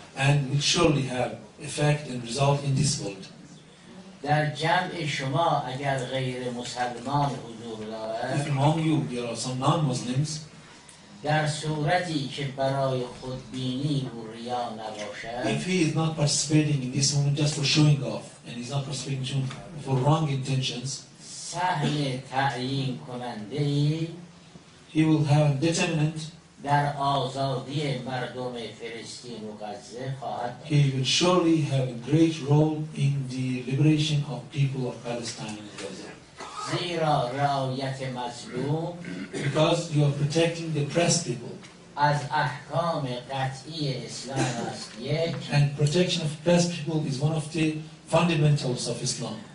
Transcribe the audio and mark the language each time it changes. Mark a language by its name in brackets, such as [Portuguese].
[English] And it surely have effect and result in this world. [Persian] در جمع شما اگر غیر مسلمان حضور دارد. [English] If among you there are some non-Muslims. [Persian] در صورتی که برای خودبینی و ریا نباشد. [English] If he is not participating in this moment just for showing off and he's not participating for wrong intentions. [Persian] سهم تعیین کننده ای [English] he will have determinant [Persian] در آزادی مردم فلسطین و غزه خواهد [English] he will surely have a great role in the liberation of people of Palestine and Gaza [Persian] زیرا رعایت مظلوم [English] because you are protecting the oppressed people [Persian] از احکام قطعی اسلام است یک [English] and protection of oppressed people is one of the fundamentals of Islam